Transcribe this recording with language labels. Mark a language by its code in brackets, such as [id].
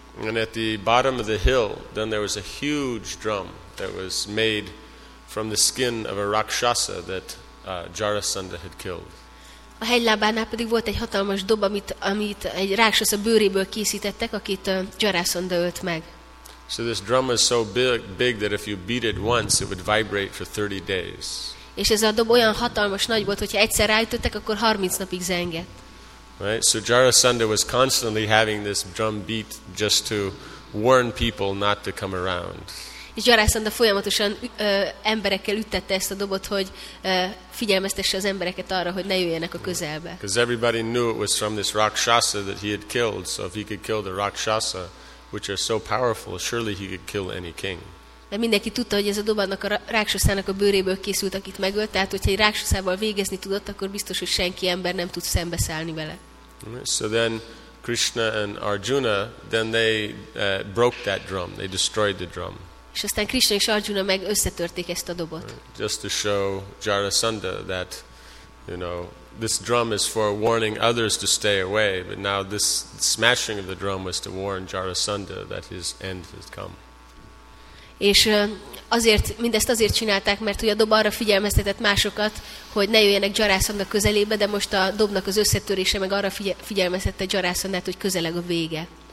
[en] And at the bottom of the hill, then there was a huge drum that was made from the skin of a rakshasa that Jarasandha had killed. [hu] A hegylábánál pedig volt egy hatalmas dob, amit egy rakshasa bőréből készítettek, akit Jarasandha ölt meg. [en] So this drum was so big that if you beat it once, it would vibrate for 30 days. [hu] És ez a dob olyan hatalmas nagy volt, hogyha egyszer ráütöttek, akkor 30 napig zengett. [en] Right, so Jarasandha was constantly having this drum beat just to warn people not to come around. [hu] És Jarasandha folyamatosan emberekkel üttette ezt a dobot, hogy figyelmeztesse az embereket arra, hogy ne jöjjenek a közelbe. [en] Because everybody knew it was from this rakshasa that he had killed, so if he could kill the rakshasa, which are so powerful, surely he could kill any king. [hu] Mert mindenki tudta, hogy ez a dob annak a rákszaszának a bőréből készült, akit megölt, tehát hogyha egy rákszaszával végezni tudott, akkor biztos, hogy senki ember nem tud szembeszállni vele. [en] So then Krishna and Arjuna, then they broke that drum, they destroyed the drum. [hu] És aztán Krishna és Arjuna meg összetörték ezt a dobot. [en] Just to show Jarasandha that, this drum is for warning others to stay away, but now this smashing of the drum was to warn Jarasandha that his end has come. [hu] És azért, mindezt azért csinálták, mert ugye a dob arra figyelmeztetett másokat, hogy ne jöjjenek Jarasandha közelébe, de most a dobnak az összetörése meg arra figyelmeztette Jarasandhát, hogy közeleg a vége.